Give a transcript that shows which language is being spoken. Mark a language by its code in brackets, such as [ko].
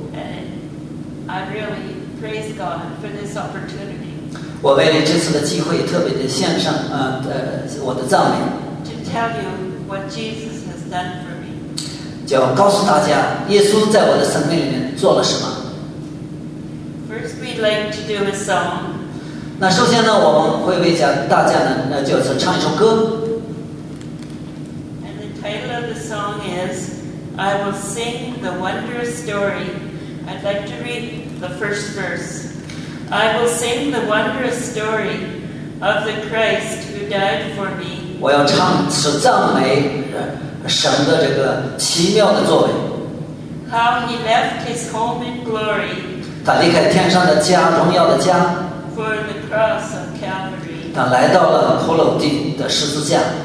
[en] And I really praise God for this opportunity. [zh] 我为这次的机会特别的献上我的赞美。 [en] To tell you what Jesus has done for me. [zh] 就告诉大家，耶稣在我的生命里面做了什么。 [en] First, we'd like to do a song. [zh] 那首先呢，我们会为大家呢，那就是唱一首歌。 [en] And the title of the song is, I will sing the wondrous story. I'd like to read the first verse. I will sing the wondrous story of the Christ who died for me. [zh] 我要唱是赞美神的这个奇妙的作为。 [en] How he left his home in glory. [zh] 他离开天上的家，荣耀的家。 [en] For the cross of Calvary. [zh] 他来到了骷髅地的十字架。